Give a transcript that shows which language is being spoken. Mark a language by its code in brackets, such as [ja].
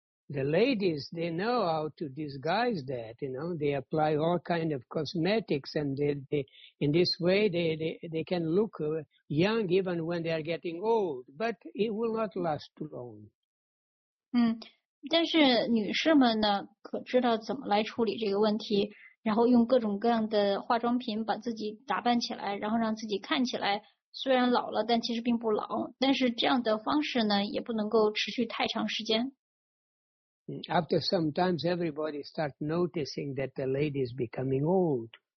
[en] The ladies, they know how to disguise that. You know, they apply all kind of cosmetics, and they in this way, they can look young even when they are getting old. But it will not last too long. [zh] 但是女士们呢，可知道怎么来处理这个问题，然后用各种各样的化妆品把自己打扮起来，然后让自己看起来虽然老了，但其实并不老。但是这样的方式呢，也不能够持续太长时间。 [en] After some time, everybody starts noticing that the lady is becoming old.